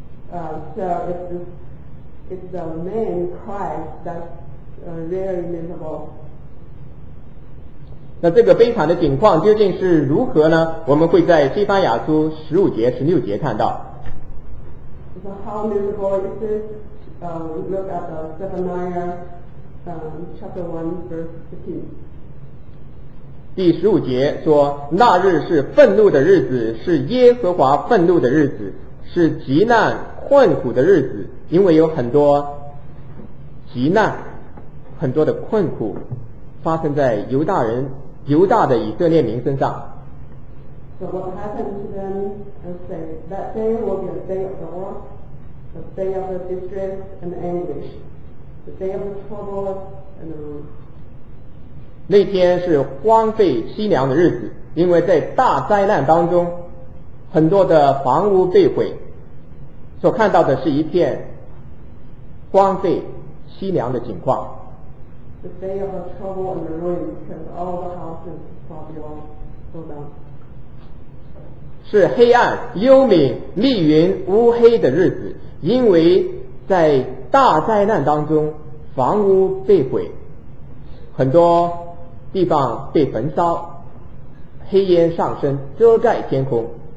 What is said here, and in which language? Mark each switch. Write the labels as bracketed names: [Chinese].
[English] So if the man cries, that's very miserable. [Chinese] 那这个悲惨的情况究竟是如何呢？我们会在西番雅书十五节、十六节看到。 [English] So how miserable is this? Look at the Zephaniah, chapter 1:15. [Chinese] 第十五节说：“那日是愤怒的日子，是耶和华愤怒的日子，是极难困苦的日子，因为有很多极难、很多的困苦发生在犹大的以色列民身上。” [English] So what happened to them is say, that day will be a day of the war, a day of the distress and anguish, the day of the trouble and the ruin. [Chinese] 那天是荒废凄凉的日子，因为在大灾难当中，很多的房屋被毁，所看到的是一片荒废凄凉的景况。 [English] The day of the trouble and the ruin, because all the houses probably all fell down. [Chinese] 是黑暗、幽冥、密云、乌黑的日子，因为在大灾难当中，房屋被毁，很多地方被焚烧，黑烟上升，遮盖天空。